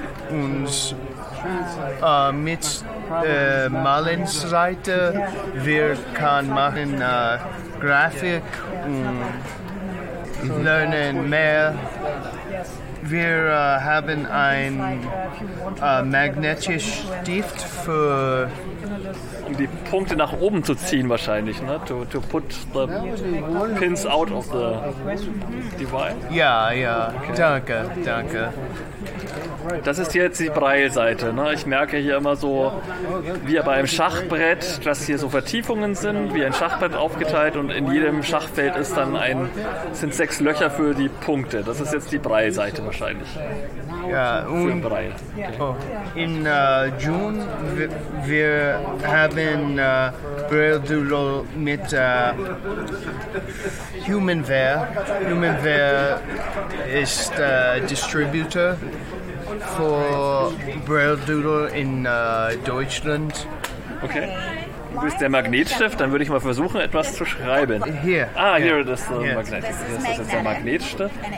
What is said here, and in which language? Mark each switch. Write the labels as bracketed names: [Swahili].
[German] Und mit Malens Seite wir kann machen Grafik und lernen mehr. Wir haben ein magnetisches Stift für die Punkte nach oben zu ziehen wahrscheinlich, ne? [English] To put the pins out of the device. [German] Ja, ja. Okay. Danke, danke. Das ist jetzt die Braille-Seite. Ne? Ich merke hier immer so, wie bei einem Schachbrett, dass hier so Vertiefungen sind, wie ein Schachbrett aufgeteilt und in jedem Schachfeld ist dann sind 6 Löcher für die Punkte. Das ist jetzt die Braille-Seite wahrscheinlich. Ja, und für Braille. Okay. [English] In June [German] wir haben Braille-Doodle mit HumanWare. HumanWare ist Distributor für Braille-Doodle in Deutschland. Okay. Das ist der Magnetstift, dann würde ich mal versuchen, etwas zu schreiben. [English] Here. Ah, here it is. This is the Magnetstift.